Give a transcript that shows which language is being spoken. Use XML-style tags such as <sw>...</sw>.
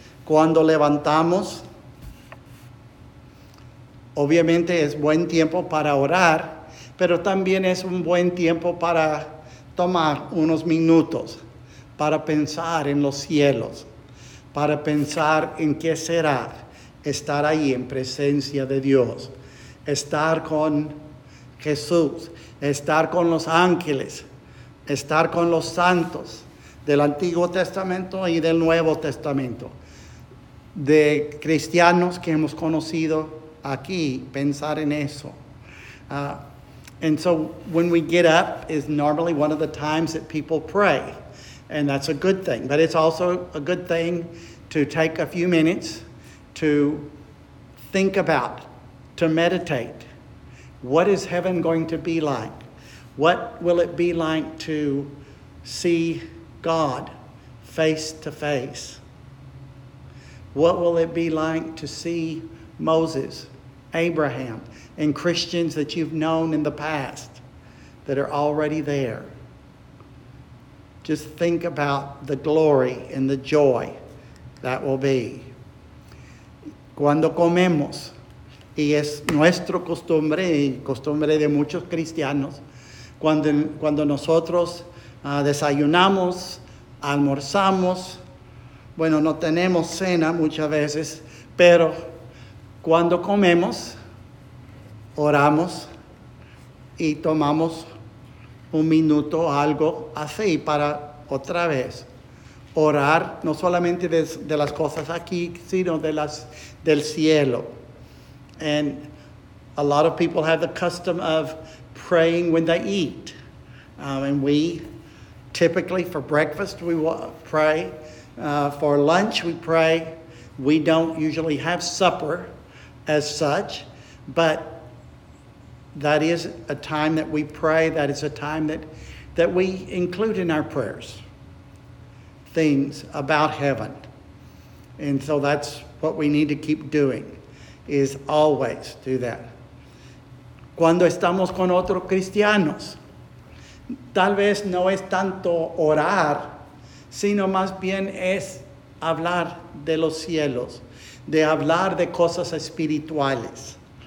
<es>Cuando levantamos, obviamente es buen tiempo para orar, pero también es un buen tiempo para tomar unos minutos, para pensar en los cielos, para pensar en qué será estar ahí en presencia de Dios, estar con Jesús, estar con los ángeles, estar con los santos del Antiguo Testamento y del Nuevo Testamento, de cristianos que hemos conocido aquí, pensar en eso.</es> <en>And so when we get up is normally one of the times that people pray, and that's a good thing, but it's also a good thing to take a few minutes to think about, to meditate. What is heaven going to be like? What will it be like to see God face to face? What will it be like to see Moses, Abraham, and Christians that you've known in the past that are already there? Just think about the glory and the joy that will be.</en> <es>Cuando comemos, y es nuestra costumbre y costumbre de muchos cristianos, cuando nosotros desayunamos, almorzamos, bueno, no tenemos cena muchas veces, pero cuando comemos, oramos y tomamos un minuto o algo así para otra vez orar, no solamente de las cosas aquí, sino de las del cielo.</es> <en>And a lot of people have the custom of praying when they eat. And we typically for breakfast, we will pray. For lunch, we pray. We don't usually have supper as such, but that is a time that we pray. That is a time that we include in our prayers things about heaven. And so that's what we need to keep doing, is always do that.</en> <es>Cuando estamos con otros cristianos, tal vez no es tanto orar, sino más bien es hablar de los cielos, de hablar de cosas espirituales.</es>